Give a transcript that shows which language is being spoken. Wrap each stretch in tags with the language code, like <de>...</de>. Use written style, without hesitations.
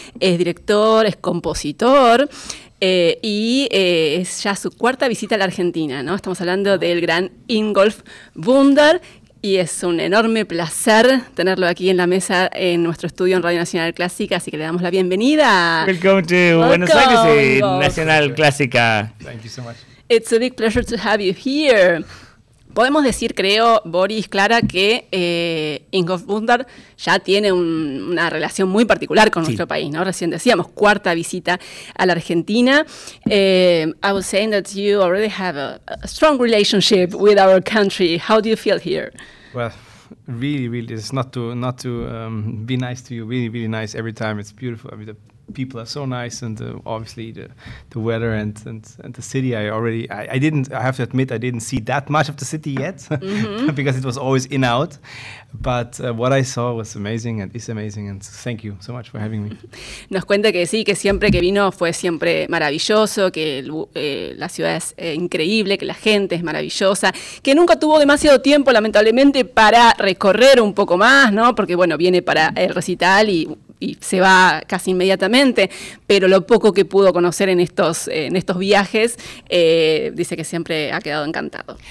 <es>Es director, es compositor. Es ya su cuarta visita a la Argentina, ¿no? Estamos hablando del gran Ingolf Bunder. Y es un enorme placer tenerlo aquí en la mesa en nuestro estudio en Radio Nacional Clásica, así que le damos la bienvenida.</es> <en>Welcome to Buenos Aires, Nacional Clásica. Thank you so much. It's a big pleasure to have you here.</en> <es>Podemos decir, creo, Boris, Clara, que Ingolf Bunder ya tiene una relación muy particular con nuestro país, ¿no? Recién decíamos, cuarta visita a la Argentina.</es> <en>I was saying that you already have a strong relationship with our country. How do you feel here? Well, really, really, it's not to be nice to you. Really, really nice every time. It's beautiful. I mean, the people are so nice, and obviously the weather and the city. I have to admit I didn't see that much of the city yet, mm-hmm. because it was always in out. But what I saw was amazing and is amazing, and thank you so much for having me.</en> <es>Nos cuenta que sí, que siempre que vino fue siempre maravilloso, que la ciudad es increíble, que la gente es maravillosa, que nunca tuvo demasiado tiempo, lamentablemente, para recorrer un poco más, ¿no? Porque bueno, viene para el recital y se va casi inmediatamente, pero lo poco que pudo conocer en estos viajes, dice que siempre ha quedado encantado.</es>